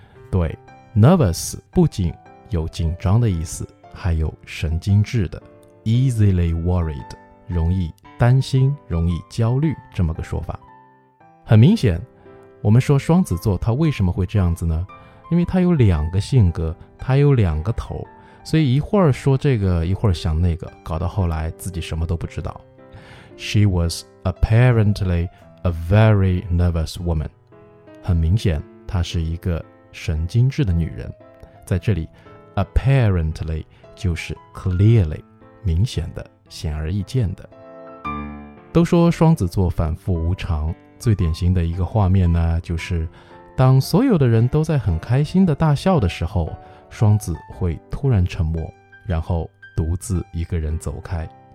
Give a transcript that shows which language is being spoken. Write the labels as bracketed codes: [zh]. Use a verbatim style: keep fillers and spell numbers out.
[zh] 对， nervous 不仅有紧张的意思，还有神经质的 [en] easily worried， [zh] 容易担心，容易焦虑这么个说法。很明显，我们说双子座他为什么会这样子呢？因为他有两个性格，他有两个头，所以一会儿说这个，一会儿想那个，搞到后来自己什么都不知道。 [en] She was apparently a very nervous woman。 [zh] 很明显，她是一个神经质的女人。在这里 apparently 就是 clearly， 明显的，显而易见的。都说双子座反复无常，最典型的一个画面呢，就是当所有的人都在很开心的大笑的时候，双子会突然沉默，然后独自一个人走开。